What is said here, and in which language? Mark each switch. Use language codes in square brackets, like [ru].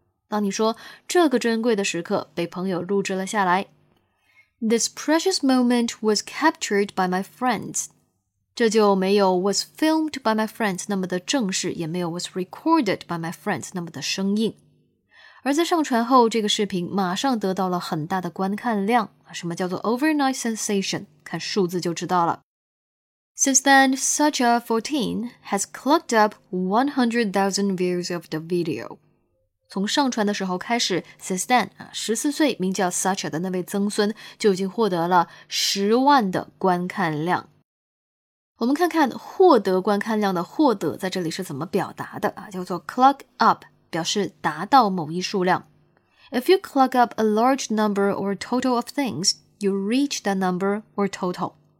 [zh] 当你说这个珍贵的时刻被朋友录制了下来， [en] This precious moment was captured by my friends. [zh] 这就没有 [en] was filmed by my friends [zh] 那么的正式，也没有 [en] was recorded by my friends [zh] 那么的生硬。而在上传后，这个视频马上得到了很大的观看量。什么叫做 [en] overnight sensation? [zh] 看数字就知道了。 [en] Since then, Sacha14 has clocked up 100,000 views of the video. [zh] 从上传的时候开始 , [en] Since then, [zh] 14岁名叫 Sacha 的那位曾孙就已经获得了100,000的观看量。我们看看获得观看量的获得在这里是怎么表达的、啊、叫做 clock up, 表示达到某一数量。 [en] If you clock up a large number or total of things, you reach that number or total.